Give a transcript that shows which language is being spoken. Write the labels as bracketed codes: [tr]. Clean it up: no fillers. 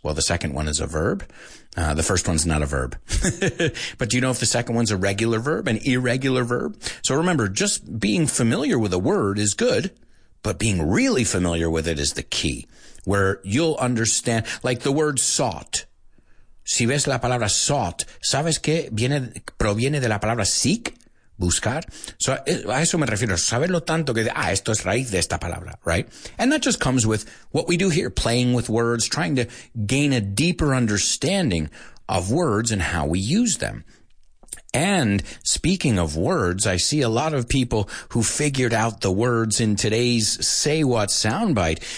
[en] Well, the second one is a verb. The first one's not a verb. But do you know if the second one's a regular verb, an irregular verb? So remember, just being familiar with a word is good, but being really familiar with it is the key, where you'll understand, like the word sought. [es] Si ves la palabra sought, ¿sabes que proviene de la palabra seek? Buscar. So a eso me refiero, saberlo tanto que, esto es raíz de esta palabra, right? [en] And that just comes with what we do here, playing with words, trying to gain a deeper understanding of words and how we use them. And speaking of words, I see a lot of people who figured out the words in today's Say What soundbite.